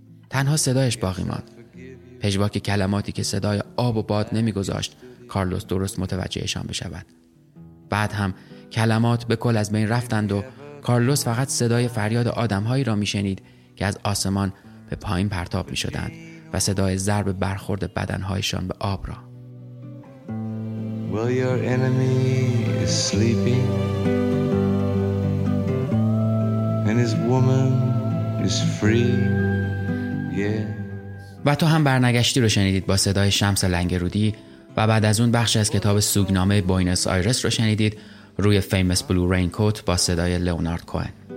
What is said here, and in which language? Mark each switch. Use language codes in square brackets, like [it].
[fa] تنها صدایش باقی ماند، پژواک کلماتی که صدای آب و باد نمیگذاشت کارلوس درست متوجهشان بشود. بعد هم کلمات به کل از بین رفتند و کارلوس فقط صدای فریاد آدمهایی را میشنید که از آسمان به پایین پرتاب میشدند و صدای ضرب برخورد بدنهایشان به آب را. [en] Well, your enemy is sleeping, and his woman is free. Yeah. [fa] و تو هم برنگشتی رو شنیدید با صدای شمس لنگرودی و بعد از اون بخش از کتاب سوگنامه بوینس آیرس رو شنیدید روی فیمس بلو رین کوت با صدای لئونارد کوهن.